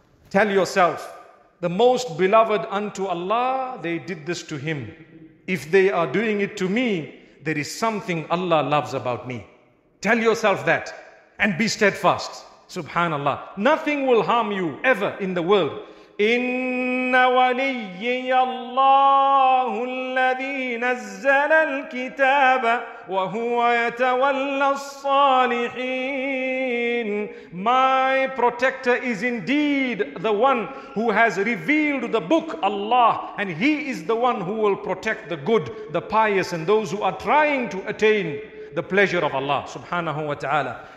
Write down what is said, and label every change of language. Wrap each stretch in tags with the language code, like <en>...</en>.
<en>Tell yourself, the most beloved unto Allah, they did this to him. If they are doing it to me, there is something Allah loves about me. Tell yourself that and be steadfast. Subhanallah. Nothing will harm you ever in the world.</en> <ar>إن وليي الله الذي نزل الكتاب وهو يتولى الصالحين.</ar> <en>My protector is indeed the one who has revealed the book, Allah, and he is the one who will protect the good, the pious, and those who are trying to attain the pleasure of Allah subhanahu wa ta'ala.</en>